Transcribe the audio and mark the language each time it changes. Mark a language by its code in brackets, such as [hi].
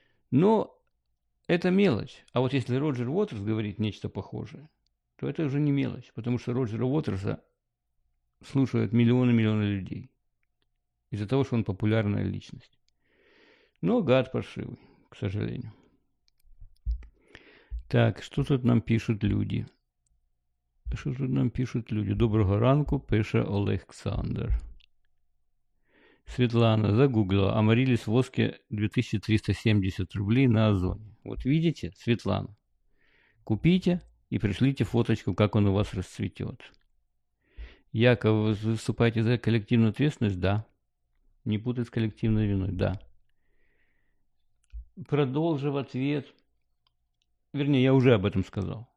[ru] Но это мелочь. А вот если Роджер Уотерс говорит нечто похожее, то это уже не мелочь, потому что Роджера Уотерса слушают миллионы-миллионы людей из-за того, что он популярная личность. Но гад паршивый, к сожалению. Так, что тут нам пишут люди? [uk] Що тут нам пишуть люди? Доброго ранку, пише Олександр. Світлана загуглила. Амаріліс воски 2370 рублей на Озоні. [ru] Вот видите, Світлана, купите и пришлите фоточку, как он у вас расцветет. Яков, вы выступаете за коллективную ответственность? Да. Не путать с коллективной виной? Да. Продолжив ответ. Вернее, я уже об этом сказал.